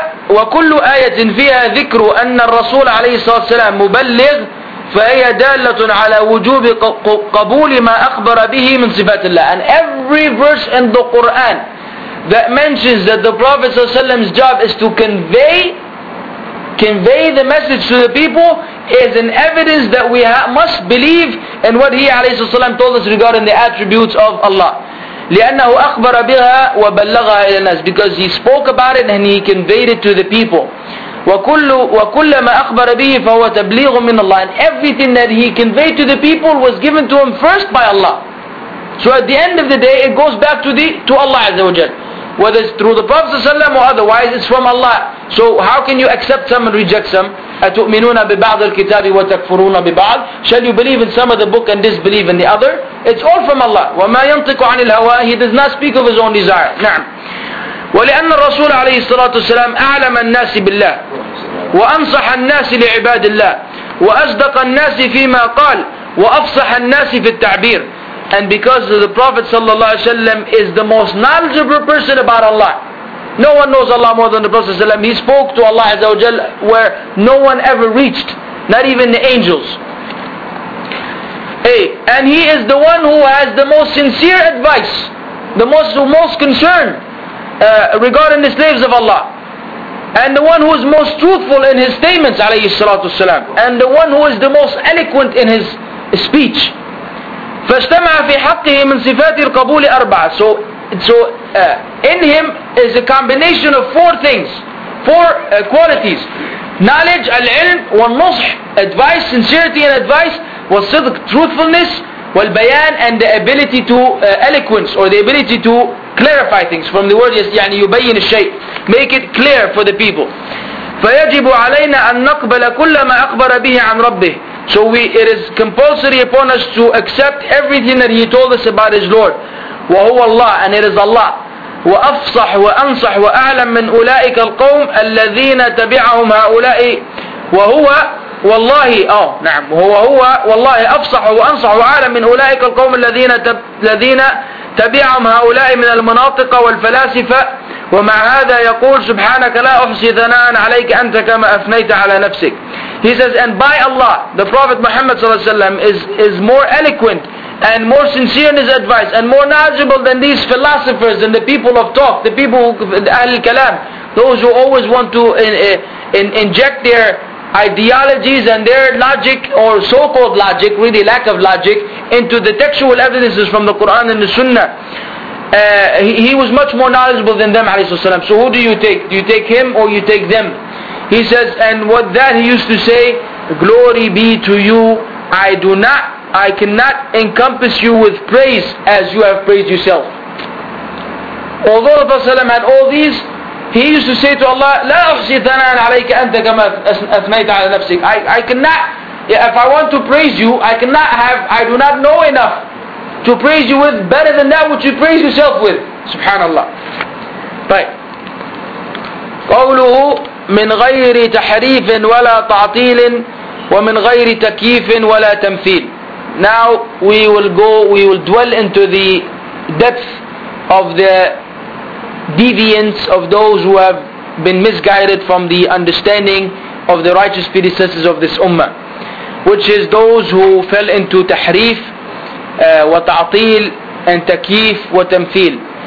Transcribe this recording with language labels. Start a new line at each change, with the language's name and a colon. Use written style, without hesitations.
Arabic: وكل آية فيها ذكر أن الرسول عليه الصلاة والسلام مبلغ فهي دالة على وجوب قبول ما أخبر به من صفات الله.
English: And every verse in the Quran that mentions that the Prophet
Arabic: صلى الله عليه وسلم's
English: job is to convey the message to the people is an evidence that we must believe in what he
Arabic: عليه الصلاة والسلام
English: told us regarding the attributes of Allah.
Arabic: لأنه أخبر بها وبلغها إلى الناس,
English: because he spoke about it and he conveyed it to the people.
Arabic: وكل ما أخبر به فهو تبليغ من الله.
English: And everything that he conveyed to the people was given to him first by Allah. So at the end of the day, it goes back to Allah Azza wa Jal. Whether it's through the Prophet ﷺ or otherwise, it's from Allah. So how can you accept some and reject some?
Arabic: أتؤمنون ببعض الكتاب وتكفرون ببعض.
English: Shall you believe in some of the book and disbelieve in the other? It's all from Allah.
Arabic: وما ينطق عن الهوى.
English: He does not speak of his own desire.
Arabic: نعم. ولأن الرسول عليه الصلاة والسلام أعلم الناس بالله وأنصح الناس لعباد الله وأصدق الناس فيما قال وأفصح الناس في التعبير.
English: And because the Prophet
Arabic: sallallahu alaihi wasallam
English: is the most knowledgeable person about Allah, no one knows Allah more than the Prophet sallallahu alaihi wasallam. He spoke to Allah azza wa jalla where no one ever reached, not even the angels. Hey, and he is the one who has the most sincere advice, the most concern regarding the slaves of Allah, and the one who is most truthful in his statements
Arabic: alayhi salatu wasalam,
English: and the one who is the most eloquent in his speech.
Arabic: فاجتمع في حقه من صفات القبول أربعة.
English: So in him is a combination of four things, four qualities: knowledge, العلم, والنصح, advice, sincerity and advice, والصدق, truthfulness, والبيان, and the ability to eloquence, or the ability to clarify things. From the word
Arabic: يعني يبين الشيء,
English: make it clear for the people.
Arabic: فيجب علينا أن نقبل كل ما أخبر به عن ربه.
English: So it is compulsory upon us to accept everything that he told us about his Lord.
Arabic: وَهُوَ اللَّهُ,
English: and it is Allah.
Arabic: وَأَفْصَحْ وَأَنْصَحْ وَأَعْلَمْ مِنْ أُولَٰئِكَ الْقَوْمِ الَّذِينَ تَبِعَهُمْ هَؤُلَاءِ وَهُوَ وَاللَّهِ نعم وَهُوَ وَاللَّهِ أَفْصَحْ وَأَنْصَحْ وَأَعْلَمْ مِنْ أُولَٰئِكَ الْقَوْمِ الَّذِينَ تَبِعَهُمْ هَؤُلَاءِ مِنَ الْمَنَاطِقَ وَالْفَلَاسِفَةِ. ومع هذا يقول سبحانك لا أحصي ثناء عليك أنت كما أثنيت على نفسك.
English: He says, and by Allah, the Prophet Muhammad
Arabic: sallallahu alaihi wasallam
English: is more eloquent and more sincere in his advice and more knowledgeable than these philosophers and the people of talk, the people who, Ahlul Kalam, those who always want to inject their ideologies and their logic, or so-called logic, really lack of logic, into the textual evidences from the Quran and the Sunnah. He was much more knowledgeable than them,
Arabic: عليه الصلاة والسلام.
English: So who do you take? Do you take him or you take them? He says, and what that he used to say, glory be to you, I cannot encompass you with praise as you have praised yourself. Although the Prophet had all these, he used to say to Allah,
Arabic: لا أحصي ثناء عليك أنت كما أثنيت على نفسك.
English: I cannot, if I want to praise you, I do not know enough to praise you with better than that which you praise yourself with. Subhanallah.
Arabic: قوله من غير تحريف ولا تعطيل ومن غير تكييف ولا تمثيل.
English: Now we will dwell into the depth of the deviance of those who have been misguided from the understanding of the righteous predecessors of this ummah, which is those who fell into tahrif, وتعطيل, and تكييف وتمثيل.